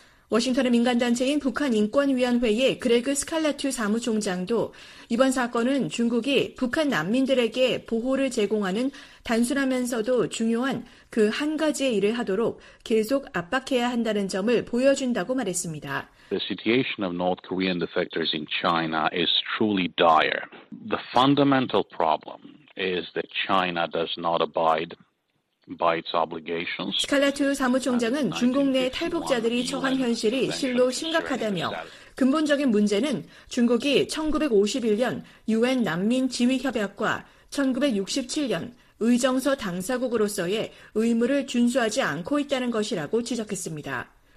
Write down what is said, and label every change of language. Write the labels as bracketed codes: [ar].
[ko] 워싱턴의 민간단체인 북한인권위원회의 그레그 스칼라투 사무총장도 이번 사건은 중국이 북한 난민들에게 보호를 제공하는 단순하면서도 중요한 그 한 가지의 일을 하도록 계속 압박해야 한다는 점을 보여준다고 말했습니다. [en] The situation of North Korean defectors in China is truly dire. The fundamental problem is that China does not abide by its obligations. [ko] 스칼라투 사무총장은 중국 내 탈북자들이 처한 현실이 실로 심각하다며 근본적인 문제는 중국이 1951년 UN 난민 지위협약과 1967년 의정서 당사국으로서의 의무를 준수하지 않고 있다는 것이라고 지적했습니다.